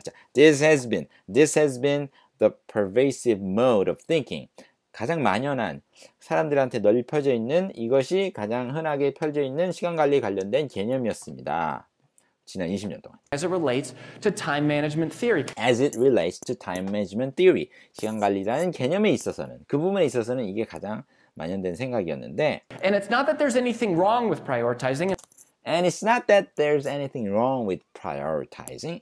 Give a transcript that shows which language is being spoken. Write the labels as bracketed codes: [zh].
[en] 자, this has been the pervasive mode of thinking. [ko] 가장 만연한 사람들한테 널리 퍼져 있는 이것이 가장 흔하게 펼쳐 있는 시간 관리 관련된 개념이었습니다. 지난 20년 동안. [en] As it relates to time management theory. As it relates to time management theory. [ko] 시간 관리라는 개념에 있어서는 그 부분에 있어서는 이게 가장 만연된 생각이었는데. [en] And it's not that there's anything wrong with prioritizing. And it's not that there's anything wrong with prioritizing.